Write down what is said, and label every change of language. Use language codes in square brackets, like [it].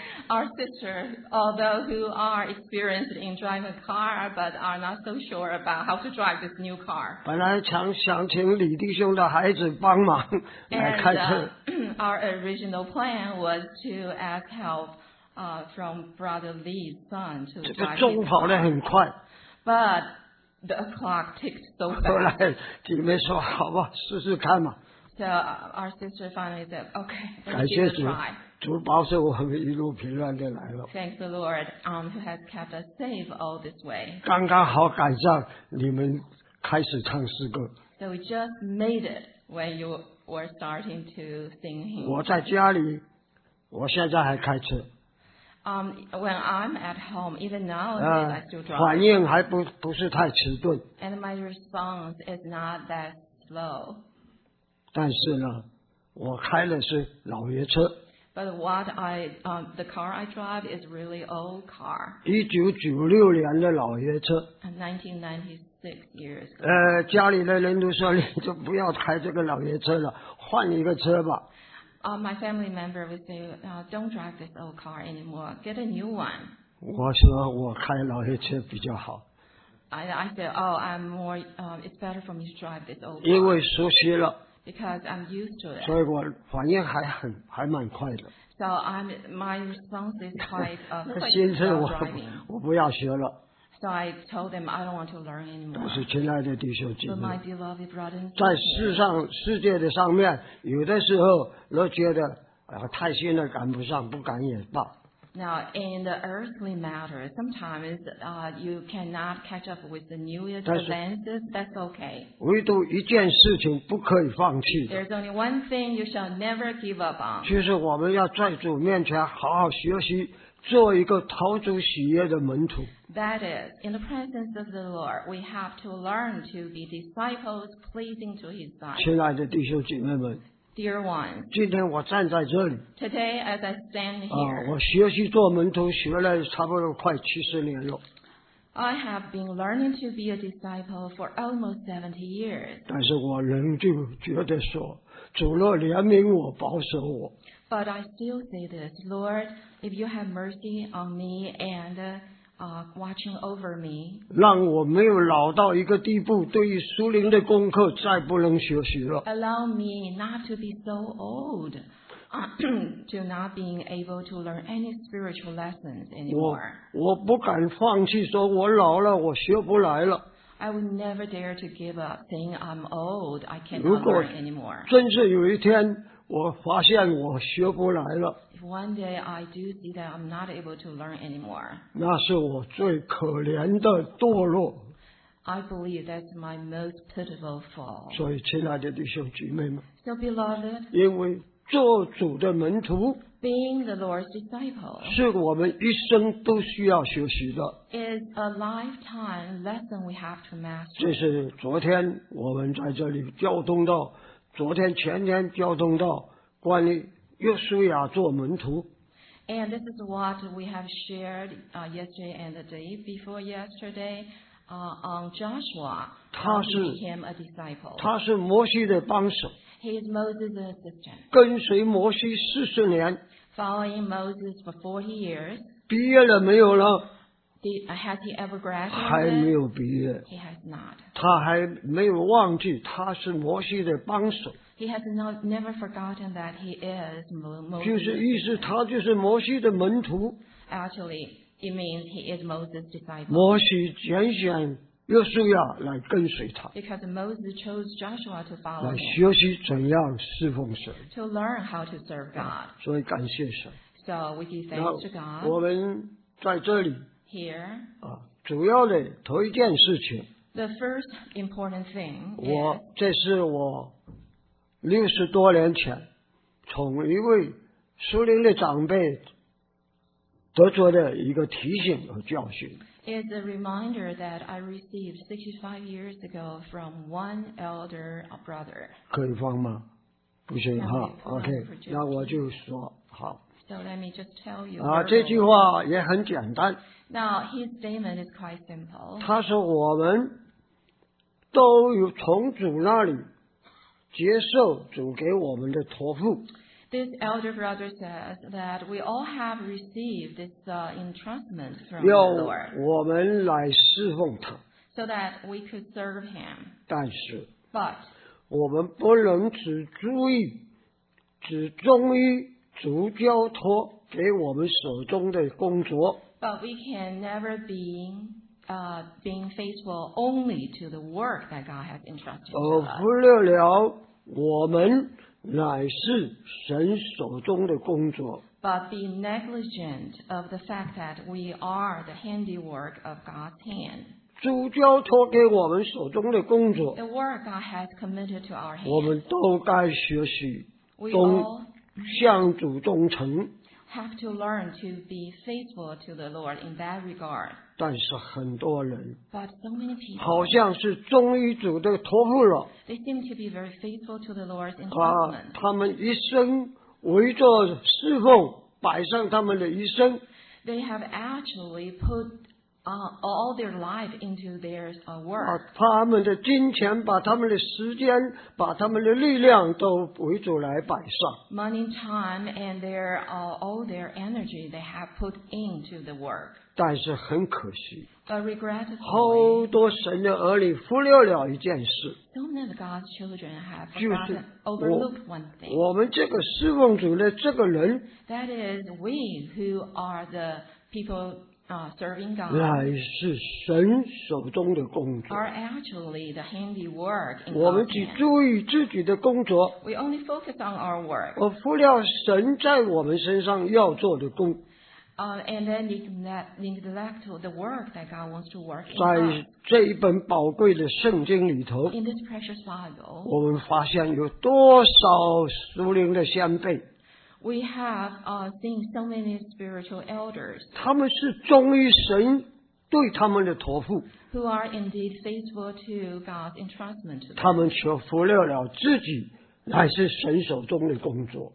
[en] Our sister, although who are experienced in driving a car, but are not so sure about how to drive this new car. [zh] 本来想请李弟兄的孩子帮忙来开车。 [en] And our original plan was to ask help from Brother Lee's son to drive. [zh] 这个钟跑得很快。 [en] But the clock ticked so fast. [zh] 后来姐妹说：“好吧，试试看嘛。” [en] So our sister finally said, "Okay, let's give it a try." [zh] 主保守我们一路平安的来了。 [en] Thanks the Lord, who has kept us safe all this way. [zh] 刚刚好赶上你们开始唱诗歌。 [en] So we just made it when you were starting to sing hymns. [zh] 我在家里，我现在还开车。 [en] When I'm at home, even now, I still drive. [zh] 反应还不是太迟钝。 [en] And my response is not that slow. [zh] 但是呢，我开的是老爷车。 [en] But what I, the car I drive is really old car. [zh] 1996年的老爷车。 [en] 1996 years. [zh] 家里的人都说你就不要开这个老爷车了，换一个车吧。 [en] My family member would say, don't drive this old car anymore. Get a new one. [zh] 我说我开老爷车比较好。 [en] I said, oh, I'm more, it's better for me to drive this old car. [zh] 因为熟悉了。 [en] Because I'm used to it. [zh] 所以我反应还蛮快的。 [en] So my response is quite quick. [zh] 新车我不要学了。 [en] So I told them I don't want to learn anymore. [zh] 但是亲爱的弟兄姐妹。 [en] But my beloved brothers and sisters. [zh] 在世界的上面，有的时候都觉得太新了赶不上，不赶也罢。 [en] Now in the earthly matter, sometimes you cannot catch up with the newest advances. That's okay. [zh] 唯独一件事情不可以放弃。 [en] There's only one thing you shall never give up on. [zh] 就是我们要在主面前好好学习，做一个讨主喜悦的门徒。 [en] That is, in the presence of the Lord, we have to learn to be disciples pleasing to His sight. [zh] 亲爱的弟兄姐妹们。 [en] Dear ones, [zh] 今天我站在这里。 [en] Today, as I stand here, [zh] 我学习做门徒学了差不多快70年了。 [en] I have been learning to be a disciple for almost 70 years. [zh] 但是我仍旧觉得说，主若怜悯我，保守我。 [en] But I still say this, Lord, if you have mercy on me and watching over me, [zh] 让我没有老到一个地步，对于属灵的功课再不能学习了。 [en] Allow me not to be so old, to not being able to learn any spiritual lessons anymore. [zh] 我不敢放弃，说我老了，我学不来了。 [en] I would never dare to give up, saying I'm old, I cannot learn anymore. [zh] 真是有一天我发现我学不来了。 [en] One day I do see that I'm not able to learn anymore. [zh] 那是我最可怜的堕落。 [en] I believe that's my most pitiful fall. [zh] 所以，亲爱的弟兄姐妹们 [en] ，So beloved, [zh] 因为做主的门徒 [en] ，Being the Lord's disciple, [zh] 是我们一生都需要学习的 [en] ，Is a lifetime lesson we have to master. [zh] 这是昨天我们在这里交通到，昨天前天交通到关于。约书亚做门徒。 [en] And this is what we have shared yesterday and the day before yesterday on Joshua. He became a disciple. [zh] 他是摩西的帮手。 [en] He is Moses' assistant. [zh] 跟随摩西四十年。 [en] Following Moses for 40 years. [zh] 毕业了没有了？ [en] Has he ever graduated? [zh] 还没有毕业。 [en] He has not. [zh] 他还没有忘记他是摩西的帮手。 [en] He has never forgotten that he is Moses. [zh] 就是意思他就是摩西的门徒。 [en] Actually, it means he is Moses' disciple. [zh] 摩西拣选约书亚来跟随他。 [en] Because Moses chose Joshua to follow him. [zh] 来学习怎样侍奉神。 [en] To learn how to serve God. [zh] 所以感谢神。 [en] So we give thanks to God. [zh] 我们在这里。 [en] Here, [zh] 主要的头一件事情 [en] The first important thing is, [zh] 我这是我六十多年前从一位属灵的长辈得着的一个提醒和教训 [en] It's a reminder that I received 65 years ago from one elder brother [zh] 可以放吗不行哈 OK 那我就说好 [en] So let me just tell you. [zh] 这句话也很简单。 [en] Now his statement is quite simple. [zh] 他说我们都有从主那里接受主给我们的托付。 [en] This elder brother says that we all have received this entrustment from the Lord. [zh] 要我们来侍奉他。 [en] So that we could serve him. [zh] 但是 [en] ，But [zh] 我们不能只注意，只忠于。主交托给我们手中的工作 [en] But we can never be being faithful only to the work that God has entrusted to us [zh] 忽略了我们乃是神手中的工作 [en] But be negligent of the fact that we are the handiwork of God's hand [zh] 主交托给我们手中的工作 [en] The work God has committed to our hand [zh] 我们都该学习 [en] We all [zh] 向主忠诚 [en] have to learn to be faithful to the Lord in that regard [zh] 但是很多人 [en] but so many people [zh] 好像是忠于主的托付了 [en] they seem to be very faithful to the Lord's entrustment [zh] 他们一生围着侍奉摆上他们的一生 [en] they have actually put all their life into their work [zh] 他们的金钱把他们的时间把他们的力量都为主来摆上 [en] money time and their, all their energy they have put into the work [zh] 但是很可惜 [en] but regrettably [zh] 好多神的儿女忽略了一件事 [en] so many of God's children have overlooked one thing [zh] 我们这个侍奉主的这个人 [en] that is we who are the people serving God [zh] 乃是神手中的工作 [en] are actually the handiwork in God's [zh] 我们只注意自己的工作 [en] we only focus on our work [zh] 而忽略神在我们身上要做的工 [en] and then neglect the work that God wants to work in us [zh] 在这一本宝贵的圣经里头 [en] in this precious Bible [zh] 我们发现有多少属灵的先辈 [en] We have seen so many spiritual elders. [zh] 他们是忠于神对他们的托付。 [en] Who are indeed faithful to God's entrustment to them. [zh] 他们却忽略了自己乃是神手中的工作。